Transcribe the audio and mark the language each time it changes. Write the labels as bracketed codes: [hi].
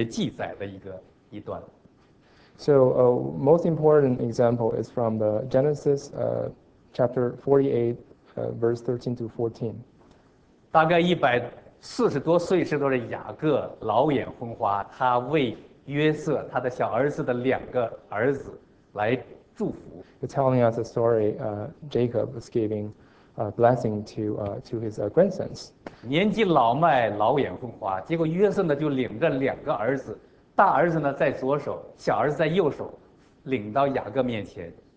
[zh] 最典型的一处就是在创世纪48章13到14节记载的一段。So [en] most important example is from the Genesis chapter 48, verse 13 to 14. [zh] 约瑟他的小儿子的两个儿子来祝福。He's [en] telling us a story. Jacob was giving a blessing to his grandsons. [zh] 年纪老迈，老眼昏花。结果约瑟呢就领着两个儿子，大儿子呢在左手，小儿子在右手，领到雅各面前。